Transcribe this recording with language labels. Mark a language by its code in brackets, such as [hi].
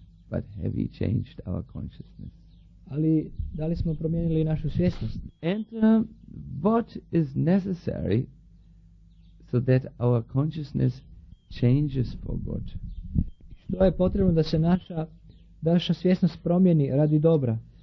[en] But have we changed our consciousness? [hr] Ali da li smo promijenili našu svjesnost? [en] And what is necessary so that our consciousness changes for good. [hr] Što je potrebno da se naša svjesnost promijeni radi dobra?